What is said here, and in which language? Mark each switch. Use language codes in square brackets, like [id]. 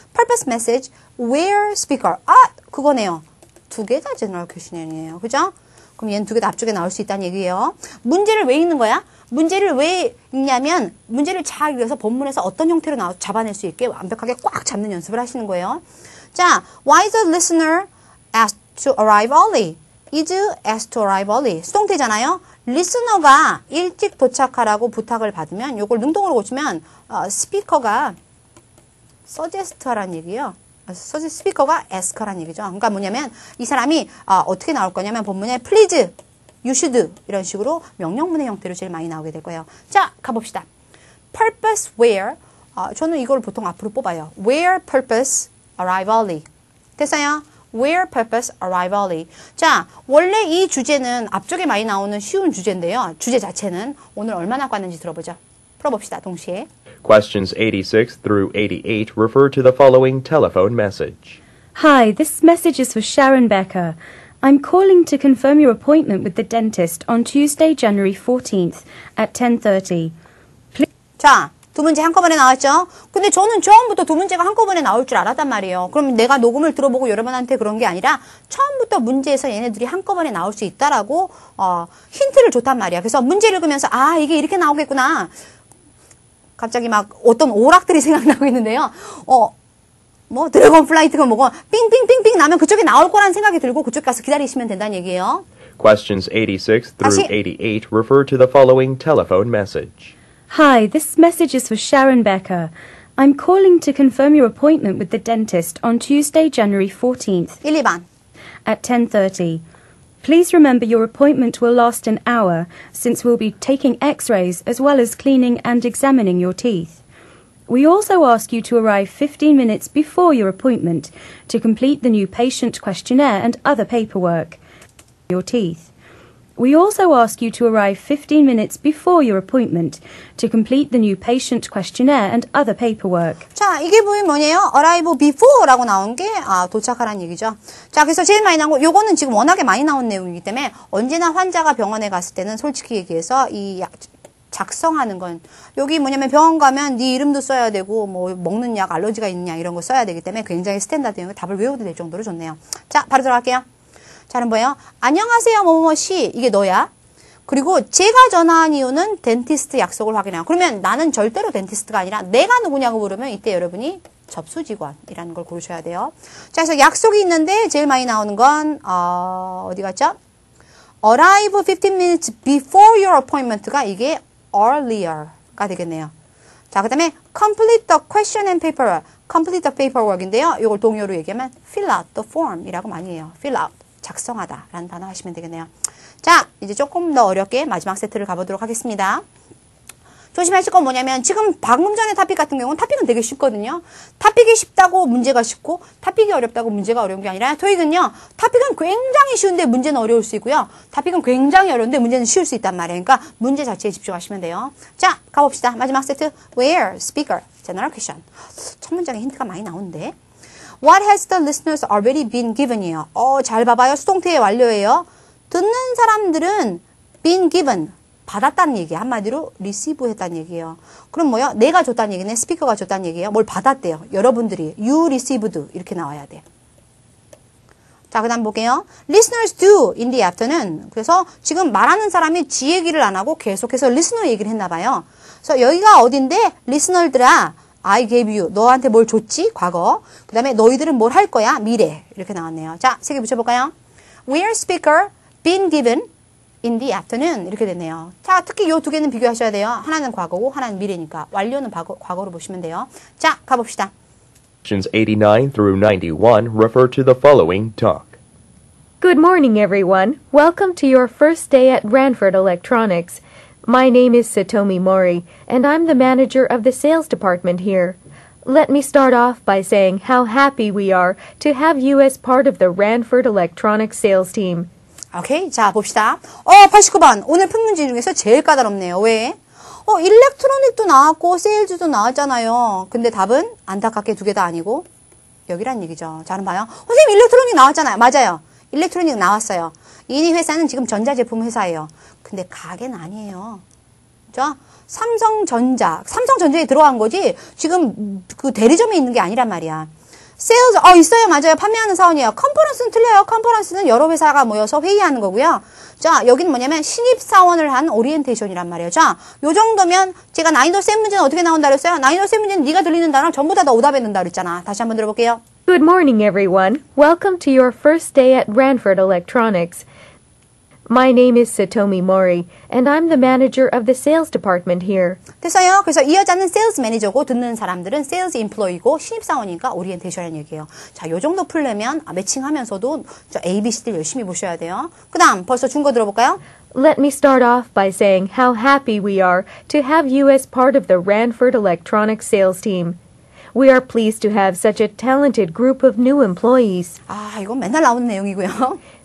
[en] Purpose message. Where speaker. [ko] 아 그거네요. 두 개 다 제너럴 퀘스천이에요. 그죠? 그럼 얘는 두 개 다 앞쪽에 나올 수 있다는 얘기예요. 문제를 왜 읽는 거야? 문제를 왜 읽냐면 문제를 잘 읽어서 본문에서 어떤 형태로 잡아낼 수 있게 완벽하게 꽉 잡는 연습을 하시는 거예요. [en] 자, why is the listener asked to arrive early? Is asked to arrive early? [ko] 수동태잖아요. 리스너가 일찍 도착하라고 부탁을 받으면 이걸 능동으로 고치면 스피커가 suggest라는 얘기예요. 서지 스피커가 ask라는 얘기죠. 그러니까 뭐냐면 이 사람이 어떻게 나올 거냐면 본문에 [en] please, you should [ko] 이런 식으로 명령문의 형태로 제일 많이 나오게 될 거예요. 자, 가봅시다. [en] Purpose where [ko] 저는 이걸 보통 앞으로 뽑아요. [en] Where purpose arrive early [ko] 됐어요? [en] Where purpose arrive early [ko] 자, 원래 이 주제는 앞쪽에 많이 나오는 쉬운 주제인데요. 주제 자체는 오늘 얼마나 꽈는지 들어보죠. 풀어봅시다, 동시에. [en] Questions 86 through 88 refer to the following telephone message. Hi, this message is for Sharon Becker. I'm calling to confirm your appointment with the dentist on Tuesday, January 14th at 10:30. Please. [ko] 자, 두 문제 한꺼번에 나왔죠? 근데 저는 처음부터 두 문제가 한꺼번에 나올 줄 알았단 말이에요. 그럼 내가 녹음을 들어보고 여러분한테 그런 게 아니라 처음부터 문제에서 얘네들이 한꺼번에 나올 수 있다라고 힌트를 줬단 말이야. 그래서 문제를 읽으면서 아, 이게 이렇게 나오겠구나. 갑자기 막 어떤 오락들이 생각나고 있는데요. 뭐 드래곤 플라이트가 뭐고 삥삥삥삥 나면 그쪽에 나올 거라는 생각이 들고 그쪽 가서 기다리시면 된다는 얘기예요. [en] Questions 86 through 88 refer to the following telephone message. Hi, this message is for Sharon Becker. I'm calling to confirm your appointment with the dentist on Tuesday, January 14th 1-2. At 10:30. Please remember your appointment will last an hour, since we'll be taking x-rays as well as cleaning and examining your teeth. We also ask you to arrive 15 minutes before your appointment to complete the new patient questionnaire and other paperwork. Your teeth. We also ask you to arrive 15 minutes before your appointment to complete the new patient questionnaire and other paperwork. [ko] 자, 이게 뭐냐면 arrive before라고 나온 게 도착하라는 얘기죠. 자, 그래서 제일 많이 나온 거 요거는 지금 워낙에 많이 나온 내용이기 때문에 언제나 환자가 병원에 갔을 때는 솔직히 얘기해서 이 약 작성하는 건 여기 뭐냐면 병원 가면 네 이름도 써야 되고 뭐 먹는 약 알러지가 있냐 이런 거 써야 되기 때문에 굉장히 스탠다드예요. 답을 외워도 될 정도로 좋네요. 자, 바로 들어갈게요. 자는 뭐예요? 안녕하세요, 뭐뭐 씨. 이게 너야. 그리고 제가 전화한 이유는 덴티스트 약속을 확인해요. 그러면 나는 절대로 덴티스트가 아니라 내가 누구냐고 물으면 이때 여러분이 접수 직원이라는 걸 고르셔야 돼요. 자, 그래서 약속이 있는데 제일 많이 나오는 건 어디 갔죠? [en] Arrive 15 minutes before your appointment가 [ko] 이게 [en] earlier가 [ko] 되겠네요. 자, 그다음에 [en] complete the question and paper, complete the paperwork인데요. [ko] 이걸 동요로 얘기하면 [en] fill out the form [ko] 이라고 많이 해요. [en] fill out. [ko] 작성하다라는 단어 하시면 되겠네요. 자, 이제 조금 더 어렵게 마지막 세트를 가보도록 하겠습니다. 조심하실 건 뭐냐면 지금 방금 전에 탑픽 같은 경우는 탑픽은 되게 쉽거든요. 탑픽이 쉽다고 문제가 쉽고 탑픽이 어렵다고 문제가 어려운 게 아니라 토익은요. 탑픽은 굉장히 쉬운데 문제는 어려울 수 있고요. 탑픽은 굉장히 어려운데 문제는 쉬울 수 있단 말이에요. 그러니까 문제 자체에 집중하시면 돼요. 자, 가봅시다. 마지막 세트. [en] Where, speaker, general question. [ko] 첫 문장에 힌트가 많이 나오는데. [en] What has the listeners already been given? [ko] 잘 봐봐요. 수동태의 완료예요. 듣는 사람들은 [en] been given, [ko] 받았다는 얘기예요. 한마디로 receive 했다는 얘기예요. 그럼 뭐요? 내가 줬다는 얘기네. 스피커가 줬다는 얘기예요. 뭘 받았대요. 여러분들이 [en] you received [ko] 이렇게 나와야 돼. 자, 그 다음 볼게요. [en] Listeners do in the afternoon. [ko] 그래서 지금 말하는 사람이 지 얘기를 안 하고 계속해서 listener 얘기를 했나 봐요. 그래서 여기가 어딘데? listener들아. [en] I gave you. [ko] 너한테 뭘 줬지? 과거. 그 다음에 너희들은 뭘 할 거야? 미래. 이렇게 나왔네요. 자, 세 개 붙여볼까요? [en] Where speaker been given in the afternoon? [ko] 이렇게 됐네요. 자, 특히 요 두 개는 비교하셔야 돼요. 하나는 과거고 하나는 미래니까. 완료는 과거로 보시면 돼요. 자, 가봅시다. [en] Questions 89 through 91 refer to the following talk. Good morning, everyone. Welcome to your first day at Ranford Electronics. My name is Satomi Mori, and I'm the manager of the sales department here. Let me start off by saying how happy we are to have you as part of the Ranford Electronics sales team. [ko] Okay, 자, 봅시다. 89번. 오늘 푼 문제 중에서 제일 까다롭네요. 왜? 일렉트로닉도 나왔고, 세일즈도 나왔잖아요. 근데 답은 안타깝게 두 개 다 아니고, 여기란 얘기죠. 자, 한번 봐요. 선생님, 일렉트로닉 나왔잖아요. 맞아요. 일렉트로닉 나왔어요. 이 회사는 지금 전자제품 회사예요. 근데 가게는 아니에요. 자, 삼성전자. 삼성전자에 들어간 거지 지금 그 대리점에 있는 게 아니란 말이야. 세일즈 있어요. 맞아요. 판매하는 사원이에요. 컨퍼런스는 틀려요. 컨퍼런스는 여러 회사가 모여서 회의하는 거고요. 자, 여기는 뭐냐면 신입사원을 한 오리엔테이션이란 말이에요. 자, 요 정도면 제가 난이도 센 문제는 어떻게 나온다고 했어요? 난이도 센 문제는 네가 들리는 단어 전부 다 오답했는다고 했잖아. 다시 한번 들어볼게요. [en] Good morning, everyone. Welcome to your first day at Ranford Electronics. My name is Satomi Mori, and I'm the manager of the sales department here. [ko] 됐어요. 그래서 이 여자는 sales manager고 듣는 사람들은 sales employee고 신입사원이니까 orientation이라는 얘기예요. 자, 요 정도 풀려면 매칭하면서도 저 ABC들 열심히 보셔야 돼요. 그다음 벌써 준 거 들어볼까요? [en] Let me start off by saying how happy we are to have you as part of the Ranford Electronics sales team. We are pleased to have such a talented group of new employees. [ko] 아, 이건 맨날 나오는 내용이고요.